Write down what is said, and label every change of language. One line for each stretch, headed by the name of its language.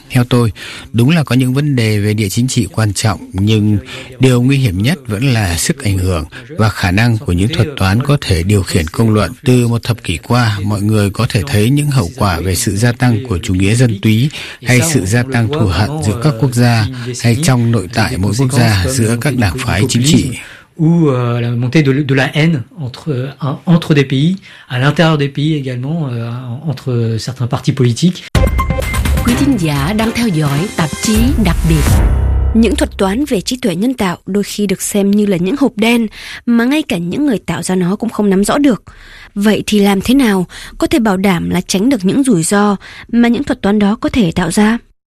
Vietnamese: Theo tôi, đúng là có những vấn đề về địa chính trị quan trọng, nhưng điều nguy hiểm nhất vẫn là sức ảnh hưởng và khả năng của những thuật toán có thể điều khiển công luận. Từ một thập kỷ qua, mọi người có thể thấy những hậu quả về sự gia tăng của chủ nghĩa dân túy hay sự gia tăng thù hận giữa các quốc gia hay trong nội tại mỗi quốc gia giữa các đảng phái chính trị.
French: Ou la montée de la haine entre des pays, à l'intérieur des pays également, entre certains partis politiques.
Vietnamese: Quý thính giả đang theo dõi tạp chí đặc biệt. Những thuật toán về trí tuệ nhân tạo đôi khi được xem như là những hộp đen mà ngay cả những người tạo ra nó cũng không nắm rõ được. Vậy thì làm thế nào có thể bảo đảm là tránh được những rủi ro mà những thuật toán đó có thể tạo ra?